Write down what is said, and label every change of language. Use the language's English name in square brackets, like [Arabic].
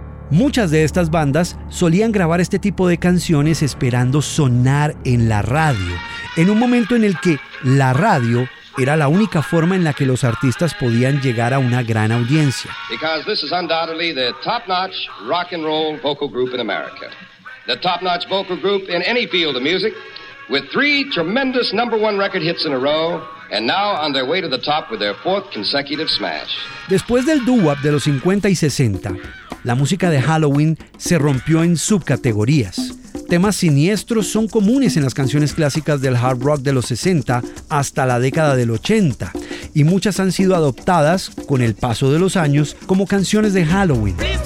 [Spanish] Muchas de estas bandas solían grabar este tipo de canciones esperando sonar en la radio, en un momento en el que la radio era la única forma en la que los artistas podían llegar a una gran audiencia. [English] Because this is undoubtedly the top-notch rock and roll vocal group in America. The top-notch vocal group in any field of music, with three tremendous number one record hits in a row, and now on their way to the top with their fourth consecutive smash. [Spanish] Después del doo-wop de los 50 y 60, la música de Halloween se rompió en subcategorías. Temas siniestros son comunes en las canciones clásicas del hard rock de los 60 hasta la década del 80, y muchas han sido adoptadas, con el paso de los años, como canciones de Halloween.